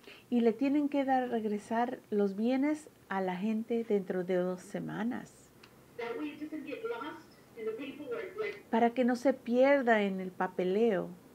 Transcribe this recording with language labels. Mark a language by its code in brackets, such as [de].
[es] Y le tienen que dar regresar los bienes a la gente dentro de 2 semanas. [en] That way it doesn't get lost in the paperwork, like, [es] para que no se pierda en el papeleo.